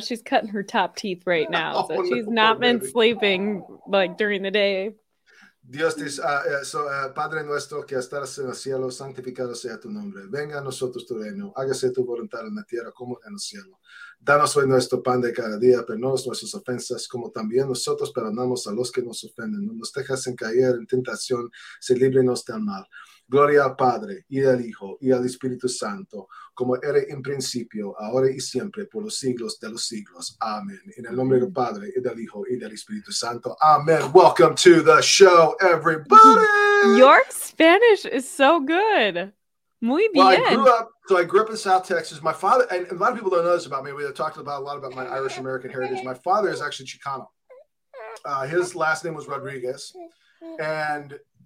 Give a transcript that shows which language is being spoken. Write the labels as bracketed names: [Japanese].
[English] She's cutting her top teeth right now. So she's not been sleeping like during the day. [Spanish] Dios te salve. Padre nuestro que estás en el cielo, santificado sea tu nombre. Venga a nosotros tu reino. Hágase tu voluntad en la tierra como en el cielo. Danos hoy nuestro pan de cada día, perdónanos nuestras ofensas, como también nosotros perdonamos a los que nos ofenden. No nos dejes caer en tentación, sé líbranos del mal. Gloria al Padre, y al Hijo, y al Espíritu Santo, como era en principio, ahora y siempre, por los siglos de los siglos. Amen. En el nombre del Padre, y del Hijo, y del Espíritu Santo. Amen. [English] Welcome to the show, everybody! Your Spanish is so good. [Spanish] Muy bien. [English] Well, I grew up in South Texas. My father, and a lot of people don't know this about me, we have talked a lot about my Irish-American heritage. My father is actually Chicano. His last name was Rodriguez, and...